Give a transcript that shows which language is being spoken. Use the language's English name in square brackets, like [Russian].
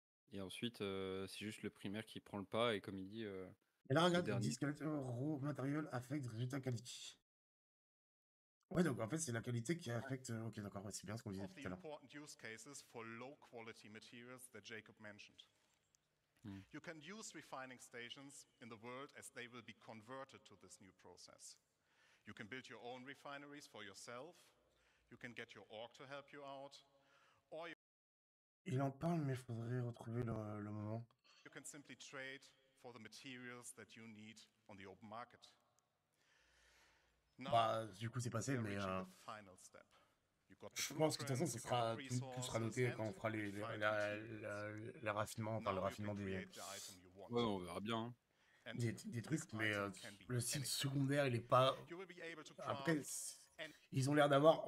[French] Et ensuite, c'est juste le primaire qui prend le pas, et comme il dit... Et là, regarde, le disqualité [English] raw material affect [French] résultat qualité. Ouais, donc en fait, c'est la qualité qui affecte... Ok, d'accord, ouais, c'est bien ce qu'on disait tout à l'heure. [English] You can use refining stations in the world as they will be converted to this new process. You can build your own refineries for yourself. You can get your org to help you out. [French] Il en parle, mais il faudrait retrouver le moment. [English] You can simply trade for the materials that you need on the open market. [French] Now, bah, du coup, c'est passé, mais [English] final step. [French] Je pense que de toute façon, tout sera noté quand on fera les raffinements, par le raffinement des... Ouais, on verra bien. Des trucs, mais le site secondaire, il est pas... Après, ils ont l'air d'avoir...